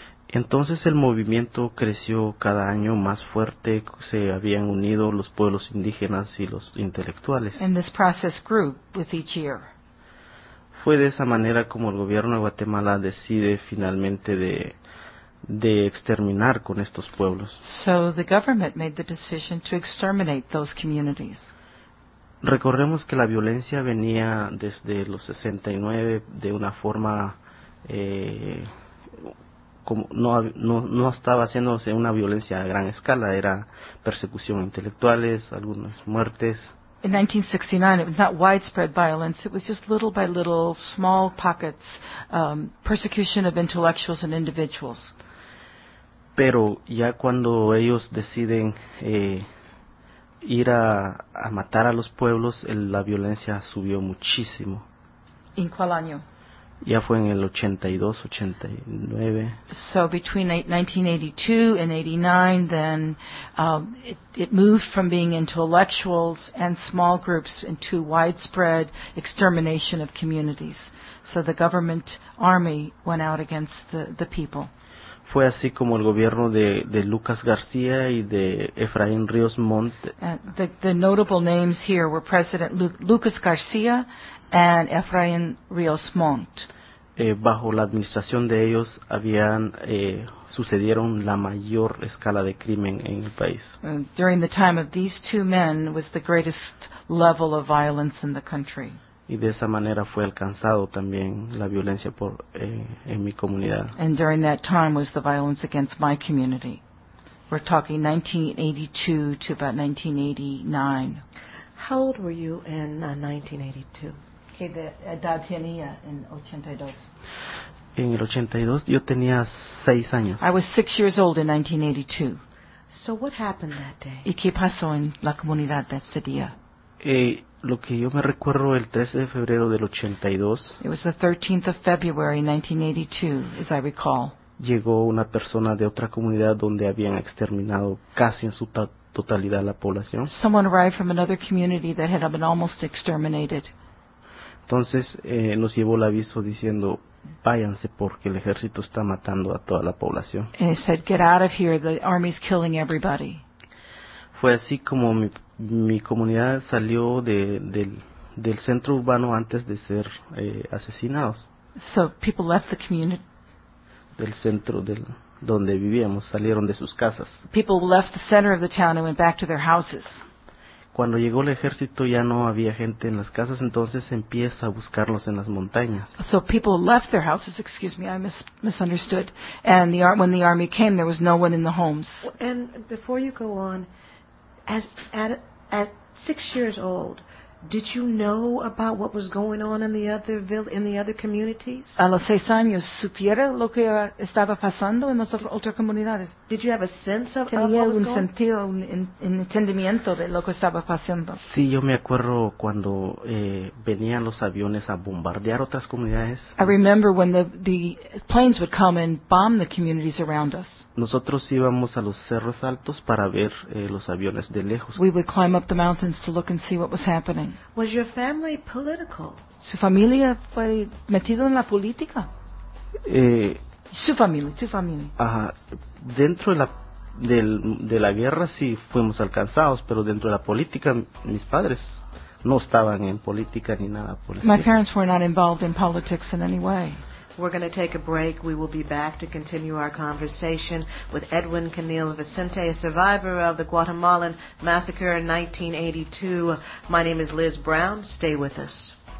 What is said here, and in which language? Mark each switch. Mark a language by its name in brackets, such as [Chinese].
[Spanish] Entonces el movimiento creció cada año más fuerte, se habían unido los pueblos indígenas y los intelectuales. [English] And this process grew with each year. [Spanish] Fue de esa manera como el gobierno de Guatemala decide finalmente de exterminar con estos pueblos. [English] So the government made the decision to exterminate those communities. [Spanish] Recordemos que la violencia venía desde los 69 de una forma... No estaba haciéndose una violencia a gran escala, era persecución a intelectuales, algunas muertes. [English] In 1969, it was not widespread violence, it was just little by little, small pockets, persecution of intellectuals and individuals. [Spanish] Pero ya cuando ellos deciden ir a matar a los pueblos, la violencia subió muchísimo. ¿En cuál año? Ya fue en el 82, 89. [English] So between 1982 and 89, then it moved from being intellectuals and small groups into widespread extermination of communities. So the government army went out against the people. [Spanish] Fue así como el gobierno de Lucas García y de Efraín Ríos Montt. [English] The notable names here were President Lucas García and Efraín Ríos Montt. [Spanish] Bajo la administración de ellos sucedieron la mayor escala de crimen en el país. [English] During the time of these two men was the greatest level of violence in the country. [Spanish] Y de esa manera fue alcanzado también la violencia en mi comunidad. [English] And during that time was the violence against my community. We're talking 1982 to about 1989. How old were you in 1982? [Spanish] En el 82 yo tenía 6 años. [English] I was 6 years old in 1982. So what happened that day? [Spanish] ¿Y qué pasó en la comunidad ese día? Lo que yo me recuerdo el 13 de febrero del 82. [English] It was the 13th of February 1982, as I recall. [Spanish] Llegó una persona de otra comunidad donde habían exterminado casi en su totalidad la población. [English] Someone arrived from another community that had been almost exterminated. [Spanish] Entonces nos llevó el aviso diciendo, váyanse porque el ejército está matando a toda la población. [English] And he said, get out of here, the army's killing everybody. [Spanish] Fue así como mi comunidad salió del centro urbano antes de ser asesinados. [English] So people left the community. [Spanish] Del centro, del, donde vivíamos salieron de sus casas. [English] People left the center of the town and went back to their houses. [Spanish] Cuando llegó el ejército ya no había gente en las casas, entonces empieza a buscarlos en las montañas. [English] So people left their houses, excuse me, I misunderstood. And when the army came, there was no one in the homes. And before you go on, at 6 years old, did you know about what was going on in the other communities? [Spanish] A los 6 años supiera lo que estaba pasando en las otras comunidades. [English] Did you have a sense of what was going on? [Spanish] Tenía un sentido, un entendimiento de lo que estaba pasando. Sí, yo me acuerdo cuando venían los aviones a bombardear otras comunidades. [English] I remember when the planes would come and bomb the communities around us. [Spanish] Nosotros íbamos a los cerros altos para ver los aviones de lejos. [English] We would climb up the mountains to look and see what was happening. Was your family political? [Spanish] Su familia fue metido en la política. Su familia. Ajá. Dentro de la guerra sí fuimos alcanzados, pero dentro de la política mis padres no estaban en política ni nada por el estilo. [English] My parents were not involved in politics in any way. We're going to take a break. We will be back to continue our conversation with Edwin Canil Vicente, a survivor of the Guatemalan massacre in 1982. My name is Liz Brown. Stay with us.